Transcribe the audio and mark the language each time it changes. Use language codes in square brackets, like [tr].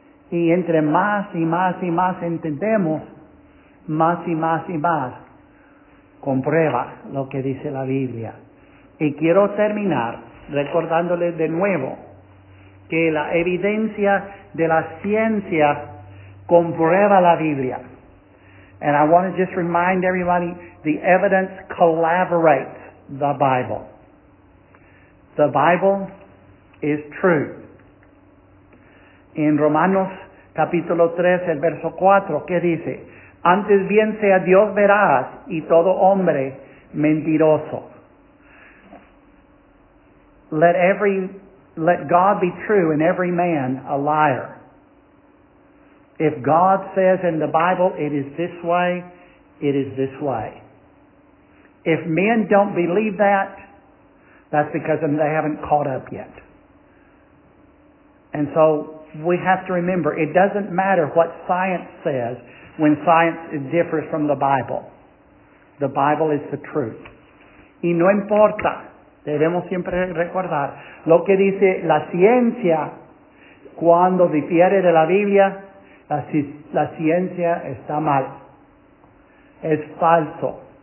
[es] Y entre más y más y más entendemos, más y más y más comprueba lo que dice la Biblia. Y quiero terminar recordándoles de nuevo que la evidencia de la ciencia comprueba la Biblia. [en] And I want to just remind everybody, the evidence corroborates the Bible. The Bible is true. [es] En Romanos capítulo 3, el verso 4, ¿qué dice? Antes bien sea Dios veraz y todo hombre mentiroso. [en] Let God be true and every man a liar. If God says in the Bible it is this way, it is this way. If men don't believe that, that's because they haven't caught up yet. And so we have to remember, it doesn't matter what science says when science differs from the Bible. The Bible is the truth. [es] Y no importa, debemos siempre recordar lo que dice la ciencia cuando difiere de la Biblia. La ciencia está mal. Es falso.